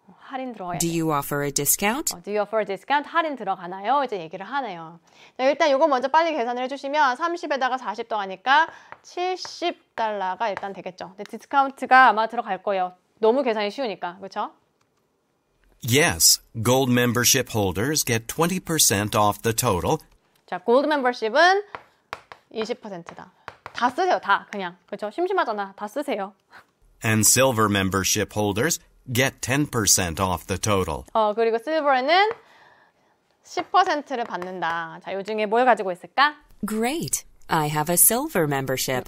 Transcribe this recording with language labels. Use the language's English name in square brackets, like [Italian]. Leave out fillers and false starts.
[Korean] 할인 들어가요. [English] Do you offer a discount? Do you offer a discount? [Korean] 할인 들어가나요? 이제 얘기를 하네요. 자, 일단 이거 먼저 빨리 계산을 해주시면 30에다가 40 더하니까 $70가 일단 되겠죠. 근데 디스카운트가 아마 들어갈 거예요. 너무 계산이 쉬우니까, 그렇죠? [English] Yes, gold membership holders get 20% off the total. [Korean] 자, gold membership은 20%다. 다 쓰세요, 다 그냥, 그렇죠? 심심하잖아, 다 쓰세요. [English] And silver membership holders get 10% off the total. [Korean] 그리고 실버에는 10%를 받는다. 자, 요 중에 뭘 가지고 있을까? [English] Great. I have a silver membership.